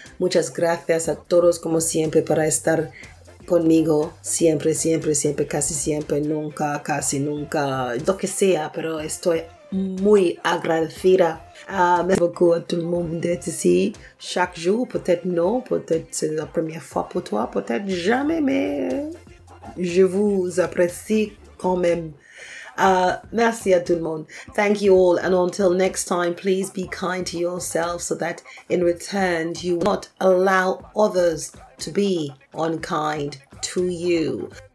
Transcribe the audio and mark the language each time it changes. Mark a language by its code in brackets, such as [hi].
[es] Muchas gracias a todos como siempre para estar conmigo siempre, siempre, siempre, casi siempre, nunca, casi nunca, lo que sea, pero estoy muy agradecida. [fr] Merci beaucoup à tout le monde d'être ici chaque jour, peut-être non, peut-être c'est la première fois pour toi, peut-être jamais, mais je vous apprécie quand même. Merci à tout le monde. [en] Thank you all. And until next time, please be kind to yourself so that in return, you will not allow others to be unkind to you.